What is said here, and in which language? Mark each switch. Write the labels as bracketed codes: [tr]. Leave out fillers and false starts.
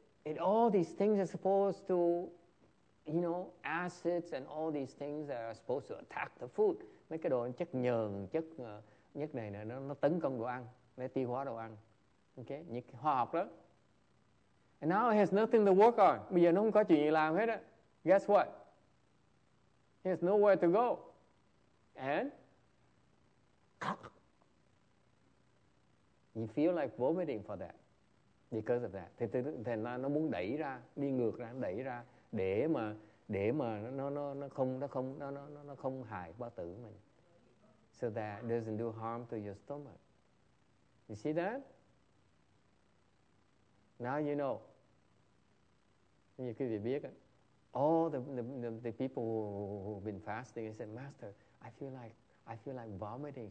[en] And all these things are supposed to, you know, acids and all these things that are supposed to attack the food. [vi] Mấy cái đồ chất nhờn, chất nhất này nó tấn công đồ ăn, nó tiêu hóa đồ ăn. Okay, những cái hóa học đó. [en] And now it has nothing to work on. [vi] Bây giờ nó không có chuyện gì làm hết á. [en] Guess what? He has nowhere to go. And? You feel like vomiting for that. Because of that. [vi] Thì nó muốn đẩy ra, đi ngược ra, đẩy ra. Để mà nó không hại bao tử mình. [en] So that doesn't do harm to your stomach. You see that? Now you know. [vi] Như quý vị biết á. [en] All the people who been fasting, they said, Master, I feel like vomiting.